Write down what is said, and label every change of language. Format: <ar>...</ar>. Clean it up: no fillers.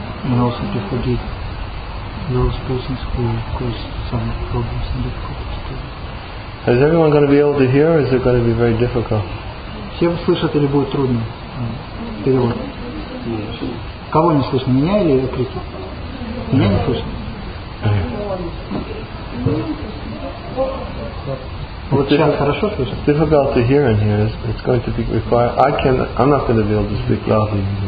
<en>And also to forgive those persons who cause some problems and difficulties to you. Is everyone going to be able to hear, or is it going to be very difficult?</en> <ru>Все услышат или будет трудно? Перевод. Кого не слышно? Меня или крики? Меня не слышно. Вот сейчас хорошо слышно.</ru> <en>Difficult to hear in here. It's going to be required. I'm not going to be able to speak loudly.</en>